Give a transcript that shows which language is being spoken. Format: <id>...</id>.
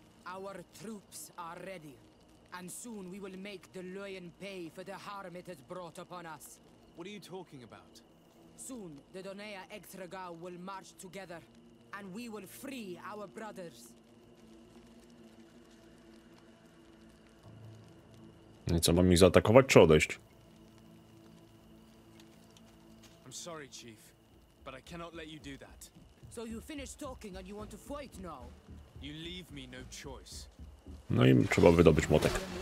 <en>Our troops are ready. And soon we will make the Loyan pay for the harm it has brought upon us. What are you talking about? Soon, the Donea Ektragau will march together, and we will free our brothers.</en> <pl>I co, mam ich zaatakować czy odejść?</pl> <en>I'm sorry, Chief, but I cannot let you do that. So you finish talking and you want to fight now? You leave me no choice.</en> <pl>No i trzeba wydobyć młotek.</pl>